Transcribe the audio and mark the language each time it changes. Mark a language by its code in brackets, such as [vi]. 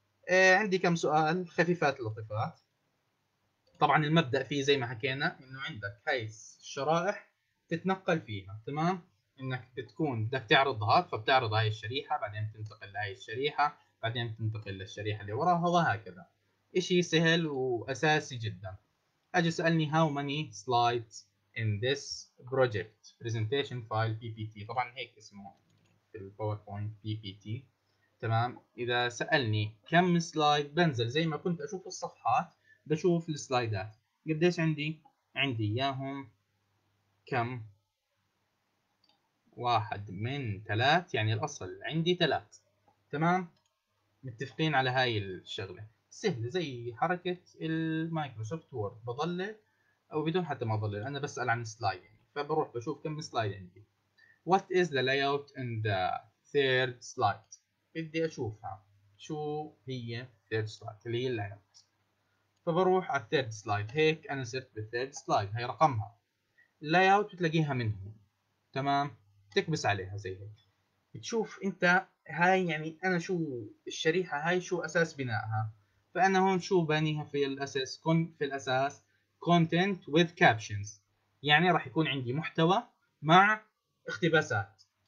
[ar] عندي كم سؤال خفيفات لطيفات. طبعا المبدأ فيه زي ما حكينا انه عندك هاي الشرائح تتنقل فيها، تمام، انك بتكون بدك تعرضها، فبتعرض هاي الشريحة، بعدين تنتقل لهاي الشريحة، بعدين تنتقل للشريحة اللي وراها، وهكذا. اشي سهل واساسي جدا. اجي سألني [en] how many slides in this project presentation file PPT. [ar] طبعا هيك اسمه في الباوربوينت PPT. تمام. اذا سألني كم سلايد، بنزل زي ما كنت اشوف الصفحات، بشوف السلايدات قديش عندي. عندي اياهم كم؟ واحد من ثلاث، يعني الاصل عندي ثلاث. تمام، متفقين على هاي الشغلة؟ سهل زي حركة المايكروسوفت وورد، بضلل او بدون حتى ما بضلل، انا بسأل عن سلايد يعني. فبروح بشوف كم سلايد عندي. [en] What is the layout in the third slide؟ [ar] بدي اشوفها، شو هي third slide اللي هي layout. فبروح على third slide. هيك انا صرت بالthird slide، هي رقمها. layout بتلاقيها منهم. تمام، تكبس عليها زي هيك، تشوف انت هاي يعني انا شو الشريحة هاي، شو اساس بنائها. فانا هون شو بانيها في الاساس؟ في الاساس content with captions، يعني راح يكون عندي محتوى مع اقتباسات.